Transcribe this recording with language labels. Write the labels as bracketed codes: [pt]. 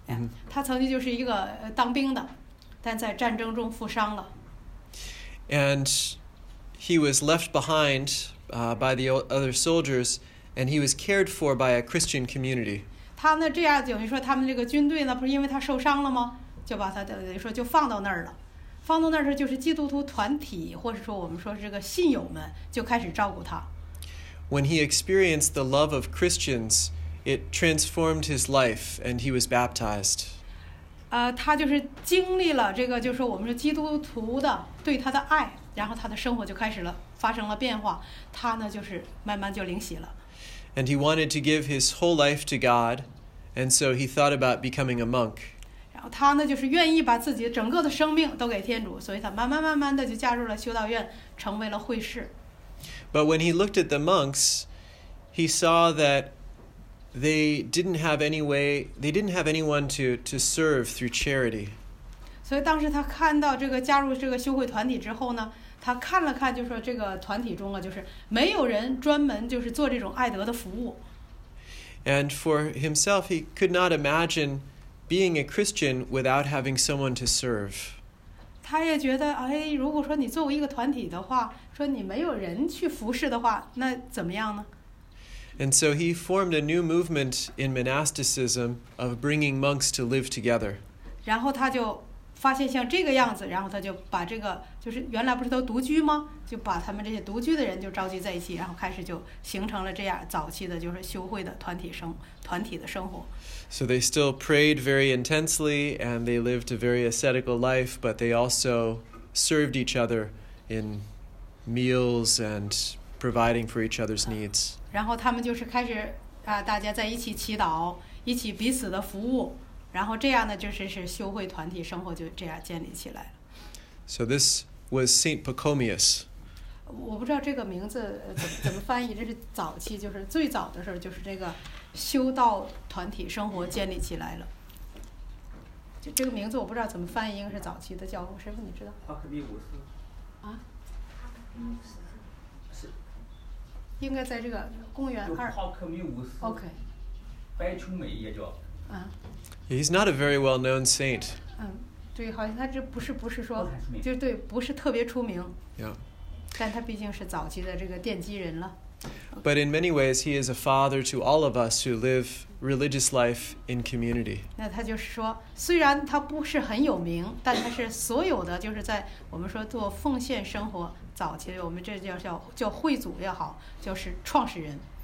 [zh] Yeah. 他曾经就是一个当兵的，但在战争中负伤了。 [en] And he was left behind by the other soldiers, and he was cared for by a Christian community. [zh] 他呢，这样等于说他们这个军队呢，不是因为他受伤了吗？就把他等于说就放到那儿了。放到那儿时，就是基督徒团体，或者说我们说这个信友们，就开始照顾他。 [en] When he experienced the love of Christians, It transformed his life, and he was baptized. [zh] 他就是经历了这个，就是我们是基督徒的对他的爱，然后他的生活就开始了，发生了变化。他呢，就是慢慢就灵洗了。 [en] And he wanted to give his whole life to God, and so he thought about becoming a monk. [zh] 然后他呢，就是愿意把自己整个的生命都给天主，所以他慢慢慢慢的就加入了修道院，成为了会士。 [en] But when he looked at the monks, he saw that they didn't have any way, they didn't have anyone to serve through charity. [zh] 所以当时他看到这个加入这个修会团体之后呢，他看了看就说这个团体中啊，就是没有人专门就是做这种爱德的服务。 [en] And for himself, he could not imagine being a Christian without having someone to serve. [zh] 他也觉得，哎，如果说你作为一个团体的话，说你没有人去服侍的话，那怎么样呢？ [en] And so he formed a new movement in monasticism of bringing monks to live together. [zh] 然后他就发现像这个样子，然后他就把这个，就是原来不是都独居吗？就把他们这些独居的人就召集在一起，然后开始就形成了这样早期的就是修会的团体的生活。 [en] So they still prayed very intensely, and they lived a very ascetical life, but they also served each other in meals and providing for each other's needs. [zh] 然后他们就是开始大家在一起祈祷，一起彼此的服务，然后这样呢，就是修会团体生活就这样建立起来了。 [en] So this was Saint Pacomius. [zh] 我不知道这个名字怎么翻译，这是早期就是最早的时候，就是这个修道团体生活建立起来了。就这个名字我不知道怎么翻译，应该是早期的教会。师傅你知道？帕克蒂乌斯。啊？应该在这个公元二。帕克密乌斯。 OK。白琼美也叫。啊。 [en] He's not a very well-known saint. [zh] 对，好像他这不是说，就对，不是特别出名。 Yeah. 但他毕竟是早期的这个奠基人了。 [en] But in many ways, he is a father to all of us who live religious life in community. [zh] 那他就是说，虽然他不是很有名，但他是所有的就是在我们说做奉献生活早期，我们这叫会祖也好，就是创始人。